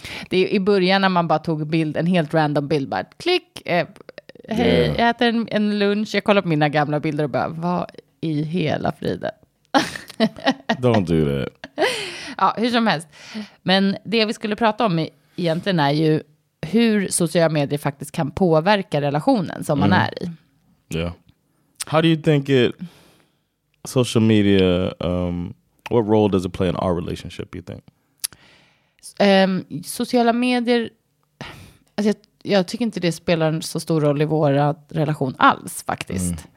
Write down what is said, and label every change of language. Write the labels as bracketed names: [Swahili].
[Swedish] Det är i början när man bara tog bild, en helt random bild, bara klick, hej, jag äter en lunch, jag kollar på mina gamla bilder och bara, vad i hela friden? [English] Don't do that. [Swedish] Ja, hur som helst. Men det vi skulle prata om egentligen är ju hur sociala medier faktiskt kan påverka relationen som man är i. [English] Yeah. How do you think it social media What role does it play in our relationship, you think? [Swedish] Sociala medier, alltså jag tycker inte det spelar så stor roll i vår relation alls faktiskt.